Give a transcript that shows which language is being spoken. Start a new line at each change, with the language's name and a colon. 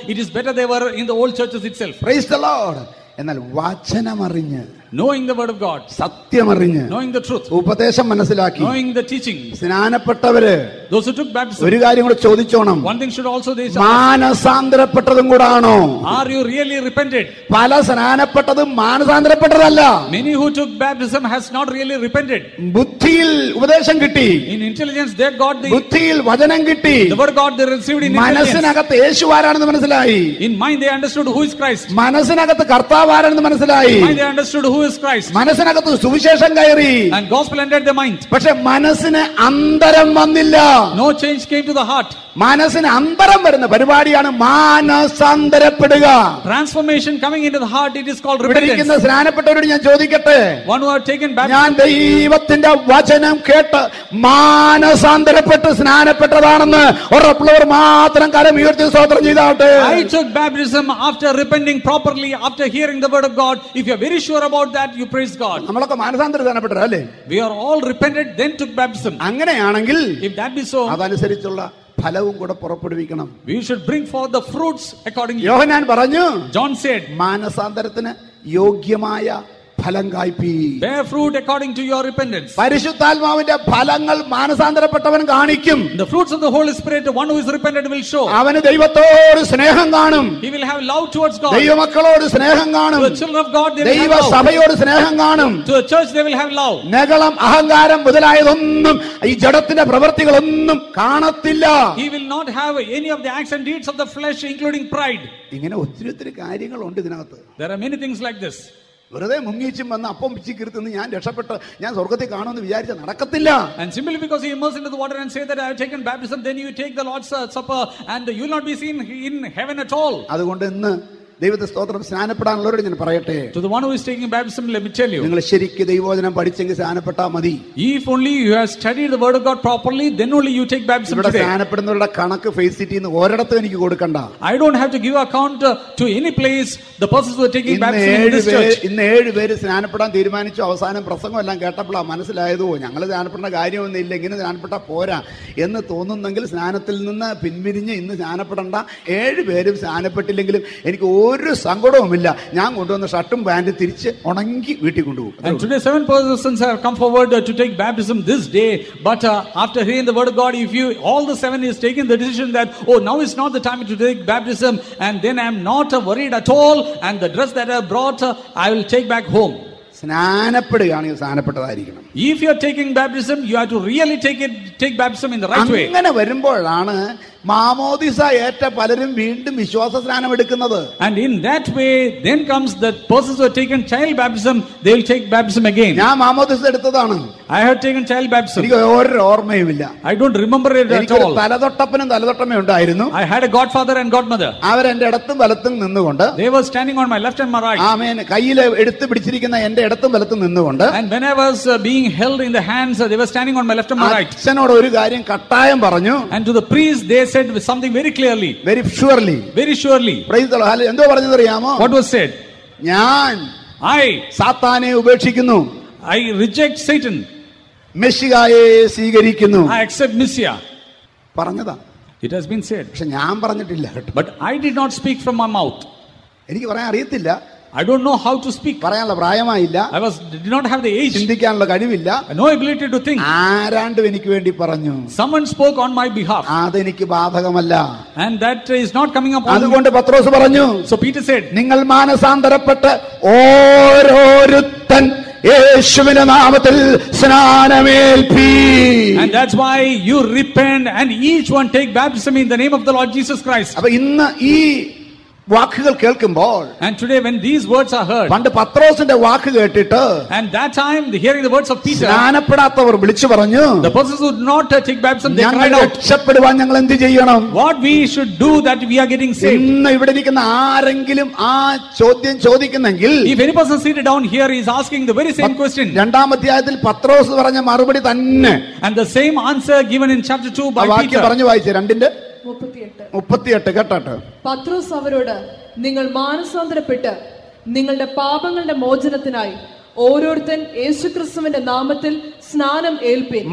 English: It is better they were in the old churches itself. Praise the Lord.
Malayalam: എന്നാൽ വചനം അറിഞ്ഞ്,
English: knowing the word of God,
Malayalam: സത്യം അറിഞ്ഞ്,
English: knowing the truth,
Malayalam: ഉപദേശം മനസ്സിലാക്കി,
English: knowing the teaching,
Malayalam: സ്നാനപ്പെട്ടവരെ,
English: those who took baptism,
Malayalam: ഒരു കാര്യം കൂടി ചോദിച്ചോണം,
English: one thing should also they say,
Malayalam: മാനസാന്തരപ്പെട്ടതും കൂടാണോ?
English: Are you really repented?
Malayalam: പല സ്നാനപ്പെട്ടതും മാനസാന്തരപ്പെട്ടതല്ല.
English: Many who took baptism has not really repented.
Malayalam: ബുദ്ധിയിൽ ഉപദേശം കിട്ടി,
English: in intelligence they got the,
Malayalam: ബുദ്ധിയിൽ വചനം കിട്ടി,
English: the word God they received in intelligence,
Malayalam: മനസ്സിനകത്ത് യേശു ആരാണെന്ന് മനസ്സിലായി,
English: in mind they understood who is Christ,
Malayalam: മനസ്സിനകത്ത് കർത്താവ് ആരാണെന്ന് മനസ്സിലായി,
English: in mind they understood who is Christ,
Malayalam: മനസ്സിനകത്ത് സുവിശേഷം കയറി,
English: and gospel entered their mind,
Malayalam: പക്ഷേ മനസ്സിന് അന്തരം വന്നില്ല,
English: no change came to the heart,
Malayalam: മനസ്സിന് അന്തരം വരുന്ന പരിപാടിയാണ് മാനസാന്തരപ്പെടുക.
English: Transformation coming into the heart, it is called repentance.
Malayalam: സ്നാനപ്പെട്ടവരോട് ഞാൻ ചോദിക്കട്ടെ,
English: one who have taken baptism,
Malayalam: ഞാൻ ദൈവത്തിന്റെ വചനം കേട്ട് മാനസാന്തരപ്പെട്ട് സ്നാനപ്പെട്ടതാണെന്ന് ഉറപ്പുള്ളവർ മാത്രം കരമുയർത്തി സ്തോത്രം ചെയ്താട്ടെ.
English: I took baptism after repenting properly after hearing the word of God. If you are very sure about that, you praise God.
Malayalam: നമ്മളൊക്കെ മാനസാന്തരം സ്നാനപ്പെട്ടവർ അല്ലേ?
English: We are all repented then took baptism.
Malayalam: അങ്ങനെയാണെങ്കിൽ,
English: if that be so,
Malayalam: അതനുസരിച്ചുള്ള ഫലവും കൂടെ പുറപ്പെടുവിക്കണം.
English: We should bring forth the fruits accordingly.
Malayalam: യോഹന്നാൻ പറഞ്ഞു,
English: John said,
Malayalam: മാനസാന്തരത്തിന് യോഗ്യമായ ഫലം കായ്പീ.
English: Bear fruit according to your repentance.
Malayalam: പരിശുദ്ധാത്മാവിന്റെ ഫലങ്ങൾ മാനസാന്തരപ്പെട്ടവൻ കാണിക്കും.
English: The fruits of the Holy Spirit, one who is repentant will show.
Malayalam: അവന് ദൈവത്തോട് സ്നേഹം കാണും.
English: He will have love towards God.
Malayalam: ദൈവമക്കളോട് സ്നേഹം കാണും.
English: To the children of God, they will have love.
Malayalam: ദൈവസഭയോട് സ്നേഹം കാണും.
English: To the church, they will have love.
Malayalam: നഗളം അഹങ്കാരം മുതലായതൊന്നും ഈ ജഡത്തിന്റെ പ്രവൃത്തികളൊന്നും കാണത്തില്ല.
English: He will not have any of the acts and deeds of the flesh including pride.
Malayalam: ഇങ്ങനെ ഒത്തിരി ഒത്തിരി കാര്യങ്ങളുണ്ട് ഇതിനകത്ത്.
English: There are many things like this.
Malayalam: വെറുതെ മുങ്ങിച്ചും വന്ന് അപ്പം പിച്ചി കീർത്തുന്ന് ഞാൻ രക്ഷപ്പെട്ട് ഞാൻ സ്വർഗത്തിൽ കാണുമെന്ന് വിചാരിച്ച നടക്കത്തില്ല.
English: And simply because he immersed into the water and say that I have taken baptism, then you take the Lord's supper and you will not be seen in heaven at all.
Malayalam: അതുകൊണ്ട് ഇന്ന് ദൈവത്തെ സ്തോത്രം സ്നാനപ്പെടാനുള്ളവരോട് ഞാൻ പറയട്ടെ,
English: to the one who is taking baptism, let me tell you,
Malayalam: നിങ്ങൾ ശരിക്കും ദൈവവചനം പഠിച്ചെങ്കിൽ സ്നാനപ്പെട്ടാ മതി.
English: If only you have studied the word of God properly, then only you take baptism.
Malayalam: ഇവിടെ സ്നാനപ്പെടുന്നവരുടെ കണക്ക് ഫേസ് ചെയ്യുന്ന ഒരിടത്തും എനിക്ക് കൊടുക്കണ്ട.
English: I don't have to give account to any place the persons who are taking baptism in this church.
Malayalam: ഇന്ന് ഏഴ് പേര് സ്നാനപ്പെടാൻ തീരുമാനിച്ചു. അവസാനം പ്രസംഗം എല്ലാം കേട്ടപ്പോൾ മനസ്സിലായതോ ഞങ്ങൾ സ്നാനപ്പെടേണ്ട കാര്യമൊന്നും ഇല്ല, ഇങ്ങനെ സ്നാനപ്പെട്ട പോരാ എന്ന് തോന്നുന്നെങ്കിൽ സ്നാനത്തിൽ നിന്ന് പിൻവിരിഞ്ഞ് ഇന്ന് സ്നാനപ്പെടണ്ട. ഏഴ് പേരും സ്നാനപ്പെട്ടില്ലെങ്കിലും എനിക്ക് ഒരു സങ്കടവുമില്ല, ഞാൻ കൊണ്ടുവന്ന ഷർട്ടും പാന്റും തിരിച്ച് ഉണങ്ങി വീട്ടിൽ കൊണ്ടുപോകും.
English: Today seven persons have come forward to take baptism this day, but after hearing the word of God, if you all the seven is taking the decision that oh now is not the time to take baptism and then I am not worried at all and the dress that I brought I will take back home.
Malayalam: സ്നാനപ്പെടുകയാണെങ്കിൽ സ്നാനപ്പെട്ടതായിരിക്കണം.
English: If you are taking baptism, you have to really take baptism in the right way.
Malayalam: അങ്ങനെ വരുമ്പോഴാണ് മാമോദിസ ഏറ്റ പലരും വീണ്ടും വിശ്വാസ സ്നാനം എടുക്കുന്നത്.
English: And in that way, then comes the persons who have taken child baptism, they will take baptism again.
Malayalam: ഞാൻ മാമോദിസ എടുത്തതാണ്.
English: I have taken child baptism.
Malayalam: എനിക്ക് ഒരു ഓർമ്മയുമില്ല.
English: I don't remember it at all.
Malayalam: എനിക്ക് തലതൊട്ടപ്പനും തലതൊട്ടമ്മയും ഉണ്ടായിരുന്നു.
English: I had a godfather and godmother.
Malayalam: അവർ എന്റെ ഇടത്തും വലത്തും നിന്നുകൊണ്ട്,
English: they were standing on my left and my right.
Malayalam: ആമേൻ. കയ്യിൽ എടുത്തു പിടിച്ചിരിക്കുന്ന എന്റെ ഇടത്തും വലത്തും നിന്നുകൊണ്ട്,
English: and when I was being held in the hands, they were standing on my left and my right.
Malayalam: അച്ഛനോട് ഒരു കാര്യം കട്ടായം പറഞ്ഞു.
English: And to the priest, they said something very clearly, very surely. Praise the Lord. Hallelujah.
Malayalam: എന്തോ പറഞ്ഞു അറിയാമോ?
English: What was said?
Malayalam: ഞാൻ സാത്താനെ ഉപേക്ഷിക്കുന്നു.
English: I reject Satan.
Malayalam: മെസ്സിയയെ സ്വീകരിക്കുന്നു.
English: I accept Messiah.
Malayalam: പറഞ്ഞതാ.
English: It has been said.
Malayalam: പക്ഷെ ഞാൻ പറഞ്ഞിട്ടില്ല.
English: But I did not speak from my mouth.
Malayalam: എനിക്ക് പറയാൻ അറിയത്തില്ല.
English: I don't know how to speak.
Malayalam: പറയാനുള്ള പ്രായമായില്ല.
English: I did not have the age.
Malayalam: ചിന്തിക്കാനുള്ള കഴിവില്ല.
English: No ability to think.
Malayalam: ആരാണ്ട് എനിക്ക് വേണ്ടി പറഞ്ഞു.
English: Someone spoke on my behalf.
Malayalam: അതെനിക്ക് ബാധകമല്ല.
English: And that is not coming upon me.
Malayalam: അതുകൊണ്ട് പത്രോസ് പറഞ്ഞു.
English: So Peter said,
Malayalam: നിങ്ങൾ മാനസാന്തരപ്പെട്ട് ഓരോരുത്തൻ യേശുവിന്റെ നാമത്തിൽ സ്നാനമേൽപ്പീ.
English: And that's why you repent and each one take baptism in the name of the Lord Jesus Christ.
Malayalam: അപ്പോൾ ഇന്ന് ഈ വാക്കുകൾ കേൾക്കുമ്പോൾ,
English: and today when these words are heard,
Malayalam: പണ്ട് പത്രോസിന്റെ വാക്ക് കേട്ടിട്ട്,
English: and that time the hearing the words of Peter,
Malayalam: സ്നാനപ്പെടാത്തവർ വിളിച്ചു പറഞ്ഞു,
English: the persons who did not take baptism, they cried out,
Malayalam: രക്ഷപ്പെടുവാൻ ഞങ്ങൾ എന്ത് ചെയ്യണം?
English: What we should do that we are getting saved.
Malayalam: ഇന്ന് ഇവിടെ ഇരിക്കുന്ന ആരെങ്കിലും ആ ചോദ്യം ചോദിക്കുന്നെങ്കിൽ,
English: if any person seated down here is asking the very same question,
Malayalam: രണ്ടാം അധ്യായത്തിൽ പത്രോസ് പറഞ്ഞ മറുപടി തന്നെ,
English: and the same answer given in chapter 2 by Peter,
Malayalam: വാക്യം പറഞ്ഞു വായിച്ച രണ്ടിന്റെ 38 കേട്ടോ. പത്രോസ് അവരോട്, നിങ്ങൾ മാനസാന്തരപ്പെട്ട് നിങ്ങളുടെ പാപങ്ങളുടെ മോചനത്തിനായി ഓരോരുത്തൻ യേശുക്രിസ്തുവിന്റെ നാമത്തിൽ സ്നാനം ഏൽപ്പീൻ.